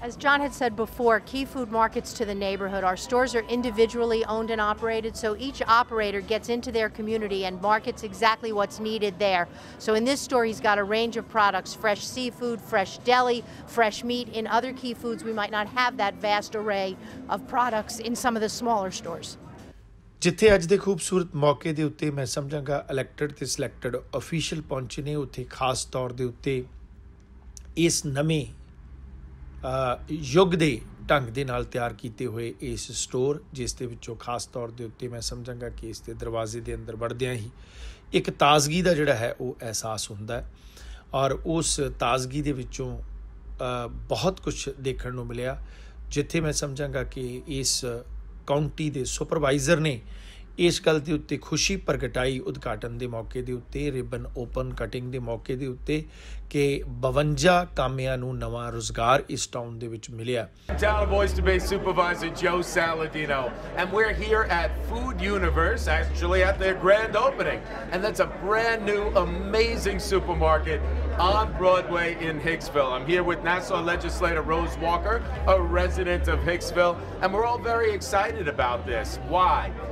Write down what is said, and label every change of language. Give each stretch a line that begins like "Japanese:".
English: As John had said before, Key Food markets to the neighborhood. Our stores are individually owned and operated, so each operator gets into their community and markets exactly what's needed there. So in this store, he's got a range of products, fresh seafood, fresh deli, fresh meat. In other Key Foods, we might not have that vast array of products in some of the smaller stores.
Punjabi: ਜਿੱਥੇ ਅੱਜ ਦੇ ਖੂਬਸੂਰਤ ਮੌਕੇ ਦੇ ਉੱਤੇ ਮੈਂ ਸਮਝਾਂਗਾ elected ਅਤੇ selected official ਪਹੁੰਚੇ ਨੇ, ਉੱਥੇ ਖਾਸ ਤੌਰ ਦੇ ਉੱਤੇ ਇਸ ਨਵੇਂ ਯੁੱਗ ਦੇ ਢੰਗ ਦੇ ਨਾਲ ਤਿਆਰ ਕੀਤੇ ਹੋਏ ਇਸ ਸਟੋਰ, ਜਿਸ ਦੇ ਵਿੱਚੋਂ ਖਾਸ ਤੌਰ ਦੇ ਉੱਤੇ ਮੈਂ ਸਮਝਾਂਗਾ ਕਿ ਇਸ ਦੇ ਦਰਵਾਜ਼ੇ ਦੇ ਅੰਦਰ ਵੜਦਿਆਂ ਹੀ ਇੱਕ ਤਾਜ਼ਗੀ ਦਾ ਜਿਹੜਾ ਹੈ ਉਹ ਅਹਿਸਾਸ ਹੁੰਦਾ, ਔਰ ਉਸ ਤਾਜ਼ਗੀ ਦੇ ਵਿੱਚੋਂ ਬਹੁਤ ਕੁਛ ਦੇਖਣ ਨੂੰ ਮਿਲਿਆ, ਜਿੱਥੇ ਮੈਂ ਸਮਝਾਂਗਾ ਕਿ ਇਸ ਕਾਉਂਟੀ ਦੇ ਸੁਪਰਵਾਈਜ਼ਰ ਨੇ ਇਸ ਗੱਲ ਦੇ ਉੱਤੇ ਖੁਸ਼ੀ ਪ੍ਰਗਟਾਈ ਉਦਘਾਟਨ ਦੇ ਮੌਕੇ ਦੇ ਉੱਤੇ, ਰਿਬਨ ਓਪਨ ਕਟਿੰਗ ਦੇ ਮੌਕੇ ਦੇ ਉੱਤੇ, ਕਿ 52 ਕਾਮਿਆਂ ਨੂੰ ਨਵਾਂ ਰੁਜ਼ਗਾਰ ਇਸ ਟਾਊਨ ਦੇ ਵਿੱਚ ਮਿਲਿਆ।
English: Town of Boys to Bay Supervisor Joe Saladino, and we're here at Food Universe, actually at their grand opening, and that's a brand new amazing supermarket on Broadway in Hicksville. I'm here with Nassau legislator Rose Walker, a resident of Hicksville, and we're all very excited about this. Why?